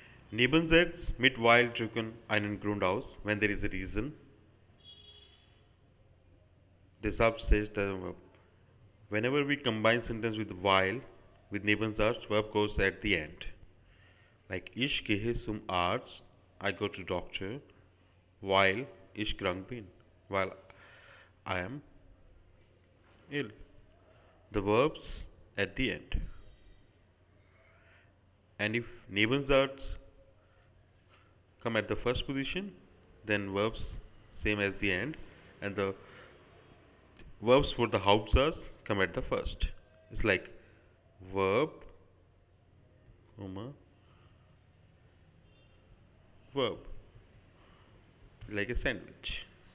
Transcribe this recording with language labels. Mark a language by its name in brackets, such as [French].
[German] Nebensatz mit weil drücken einen Grund aus, [English] when there is a reason. [German] Deshalb steht der verb. [English] Whenever we combine sentence with while, with Nebensatz, verb goes at the end. Like [German] ich gehe zum Arzt, [English] I go to doctor, while [German] ich krank bin, [English] while I am ill. The verbs at the end. And if Nebensatz come at the first position, then verbs same as the end, and the verbs for the Hauptsatz come at the first. It's like verb, comma, verb, like a sandwich.